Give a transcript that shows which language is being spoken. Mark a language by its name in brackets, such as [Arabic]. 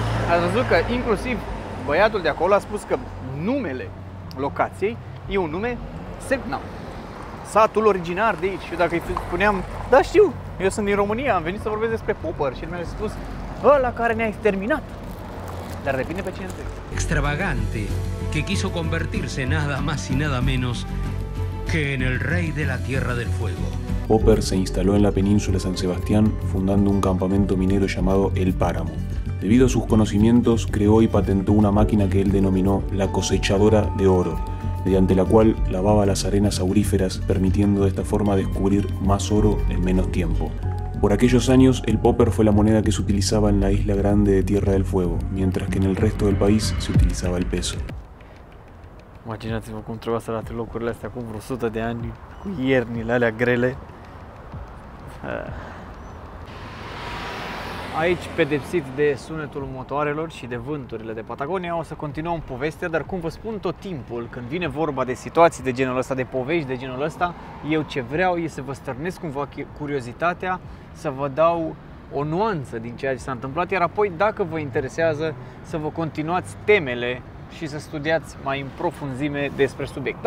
[Romanian] Ați văzut că inclusiv băiatul de acolo a spus că numele locației e un nume Sepnau, satul originar de aici. Și dacă îi spuneam, da, știu, eu sunt din România, am venit să vorbesc despre Popper și el mi-a spus, ăla care ne-a exterminat. Dar depinde pe cine întrebi. [Spanish] Extravagante, que quiso convertirse nada más y nada menos que en el rey de la Tierra del Fuego. Popper se instaló en la península San Sebastián fundando un campamento minero llamado El Páramo. Debido a sus conocimientos, creó y patentó una máquina que él denominó la cosechadora de oro, mediante la cual lavaba las arenas auríferas, permitiendo de esta forma descubrir más oro en menos tiempo. Por aquellos años, el popper fue la moneda que se utilizaba en la isla grande de Tierra del Fuego, mientras que en el resto del país se utilizaba el peso. [Romanian] Imaginați-vă cum trebuia să arate locurile astea acum vreo 100 de ani, cu iernile alea grele. Aici, pedepsit de sunetul motoarelor și de vânturile de Patagonia, o să continuăm povestea, dar cum vă spun tot timpul, când vine vorba de situații de genul ăsta, de povești de genul ăsta, eu ce vreau e să vă stârnesc cumva curiozitatea, să vă dau o nuanță din ceea ce s-a întâmplat, iar apoi, dacă vă interesează, să vă continuați temele și să studiați mai în profunzime despre subiect.